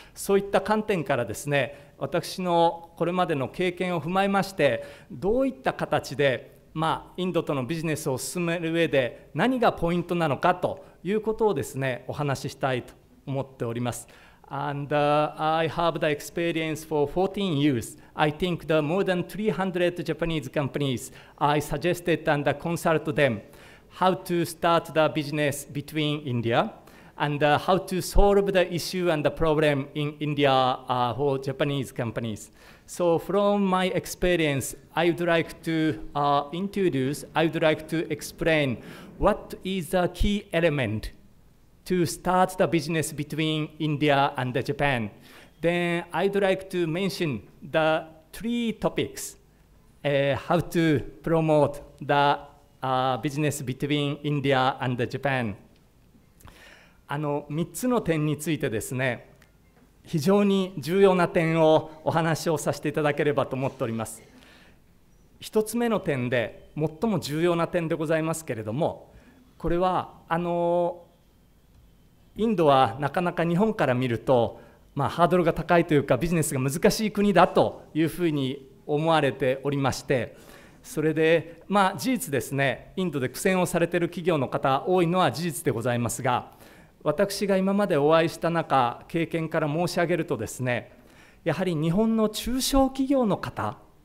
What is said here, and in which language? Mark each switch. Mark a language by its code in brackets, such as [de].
[ja] そういった観点からですね、私のこれまでの経験を踏まえまして、どういった形でインドとのビジネスを進める上で何がポイントなのかということをですね、お話ししたいと思っております。 [en] And I have the experience for 14 years. I think the more than 300 Japanese companies, I suggested and consult them how to start the business between India and how to solve the issue and the problem in India for Japanese companies. So from my experience, I would like to explain what is the key elementto start the business between India and Japan. Then I'd like to mention the three topics, how to promote the business between India and Japan. [ja] 3つの点についてですね、非常に重要な点をお話をさせていただければと思っております。 1つ目の点で最も重要な点でございますけれども、これはインドはなかなか日本から見ると、ハードルが高いというかビジネスが難しい国だというふうに思われておりまして、それで事実ですね、インドで苦戦をされている企業の方多いのは事実でございますが、私が今までお会いした中、経験から申し上げるとですね、やはり日本の中小企業の方、